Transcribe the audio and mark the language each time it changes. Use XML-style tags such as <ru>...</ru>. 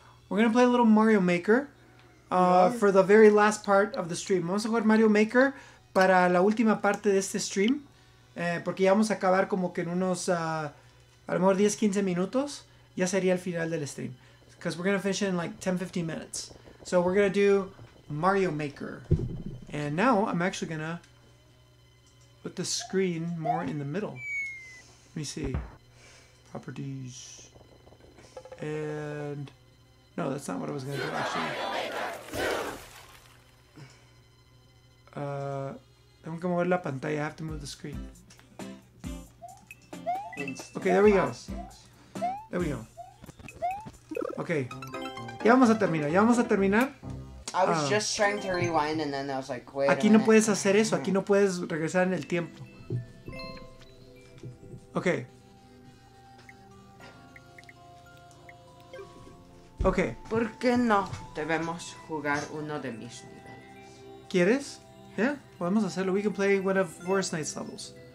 <en>We're gonna play a little Mario Maker for the very last part of the stream.</en> <es>Vamos a jugar Mario Maker para la última parte de este stream. Porque ya vamos a acabar como que en unos, a lo mejor 10-15 minutos. Ya sería el final del stream.</es> <en>Because we're going to finish it in like 10-15 minutes. So we're going to do Mario Maker. And now I'm actually going to put the screen more in the middle. Let me see. Properties. And no, that's not what I was going to do actually.</en> <es>Tengo que mover la pantalla.</es> <en>I have to move the screen. Okay, there we go. There we go. Okay,</en> <es>ya vamos a terminar, ya vamos a terminar.</es> <en>I was just trying to rewind and then I was like, wait.</en> <es>Aquí no puedes hacer eso, aquí no puedes regresar en el tiempo.</es> <en>Okay. Okay.</en> <es>¿Por qué no debemos jugar uno de mis niveles? ¿Quieres?</es> <en>Yeah,</en> <es>podemos hacerlo.</es> <en>We can play one of Forest Knights levels.</en>